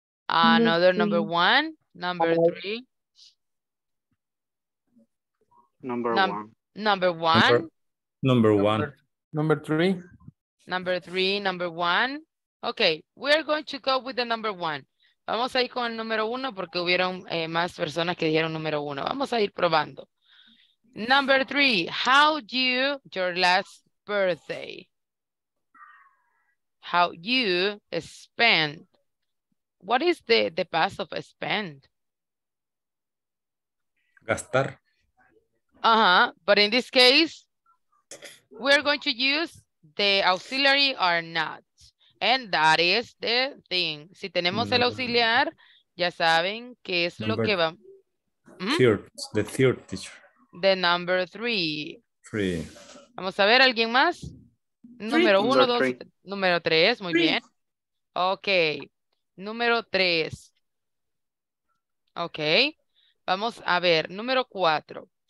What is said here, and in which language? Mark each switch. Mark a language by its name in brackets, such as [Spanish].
[English] Another number 1. Number 3. Number 1. Number 1. Number 1. Number 3. Number 3. Number 1. Okay, we're going to go with the number 1. [Spanish] Vamos a ir con el número 1 porque hubieron más personas que dijeron número 1. Vamos a ir probando. [English] Number 3. How do you, your last birthday? How you spend. What is the past of spend? [Spanish] Gastar. [English] But in this case, we're going to use the auxiliary or not. And that is the thing. [Spanish] Si tenemos el auxiliar, ya saben que es lo que va. [English] The third teacher. The number 3. 3. [Spanish] Vamos a ver, ¿alguien más? Número 1, 2, número 3, muy bien. Ok, número 3. Ok, vamos a ver, número 4.